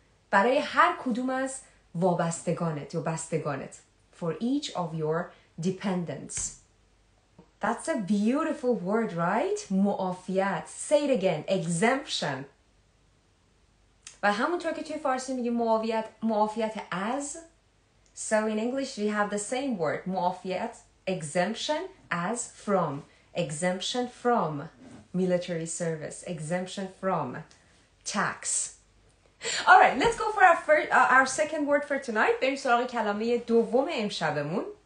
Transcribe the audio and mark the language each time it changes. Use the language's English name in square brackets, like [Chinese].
[Persian] برای هر کدوم از وابستگانت یا بستگانت. [English] For each of your dependents. That's a beautiful word, right? معافیت. Say it again. Exemption. [Persian] و همونطور که توی فارسی میگی معافیت, معافیت از. [English] So in English we have the same word. معافیت. Exemption as from. Exemption from military service. Exemption from tax. All right, let's go for our second word for tonight. [Persian] بریم سراغ کلمه دوم امشبمون.